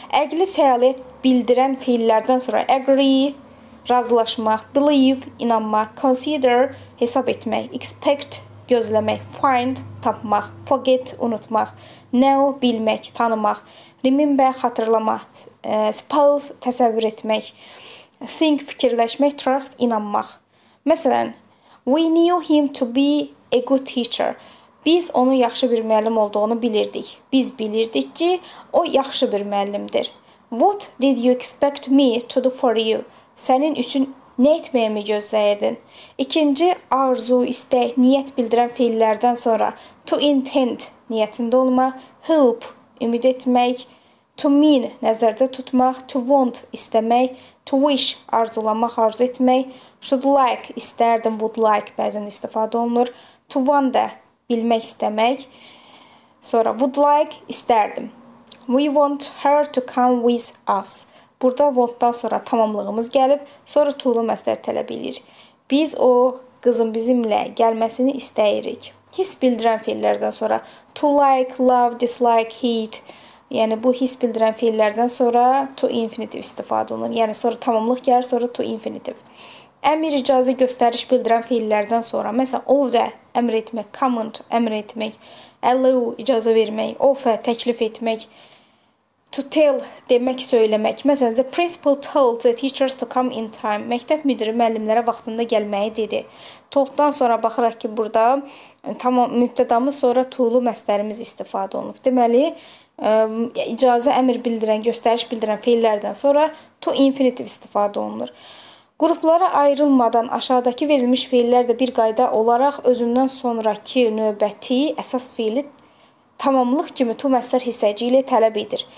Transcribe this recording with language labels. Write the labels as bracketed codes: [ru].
[az] Əqli fəaliyyət bildirən fiillərdən sonra agree, razılaşmaq, believe, inanmaq, consider, hesab etmək, expect, gözləmək, find, tapmaq, forget, unutmaq, know, bilmək, tanımaq, remember, xatırlamaq, suppose, təsəvvür etmək, think, fikirləşmək, trust, inanmaq. [en] Məsələn, we knew him to be a good teacher. [az] Biz onun yaxşı bir müəllim olduğunu bilirdik. Biz bilirdik ki, o yaxşı bir müəllimdir. [en] What did you expect me to do for you? [az] Sənin üçün nə etməyə mi gözləyirdin? İkinci, arzu, istək, niyyət bildirən fiillərdən sonra to intend niyyətində olmaq, hope ümid etmək, to mean nəzərdə tutmaq, to want istəmək, to wish arzulamaq, arzu etmək, should like istərdim, would like bəzən istifadə olunur, to wonder bilmək istəmək, sonra would like istərdim. [en] We want her to come with us. [az] Burada want-dan sonra tamamlığımız gəlib, sonra to-lu məsdər tələb edir. Biz o qızın bizimlə gəlməsini istəyirik. Hiss bildirən fiillərdən sonra to like, love, dislike, hate. Yəni bu hiss bildirən fiillərdən sonra to infinitive istifadə olunur. Yəni sonra tamamlıq gəlir, sonra to infinitive. Əmr icazə göstəriş bildirən fiillərdən sonra, məsələn, order əmr etmək, command əmr etmək, allow icazə vermək, offer təklif etmək, to tell demək, söyləmək. [en] Məsələn, the principal told the teachers to come in time. [az] Məktəb müdiri müəllimlərə vaxtında gəlməyi dedi. Told-dan sonra baxıraq ki, burada tamam mübtədamız sonra to-lu məsdərimiz istifadə olunub. Deməli, icazə əmr bildirən, göstəriş bildirən fiillərdən sonra to infinitive istifadə olunur. Qruplara ayrılmadan aşağıdakı verilmiş fiillər də bir qayda olaraq özündən sonrakı növbəti əsas fiili tamamlıq kimi to məsdər hissəciyi ilə tələb edir.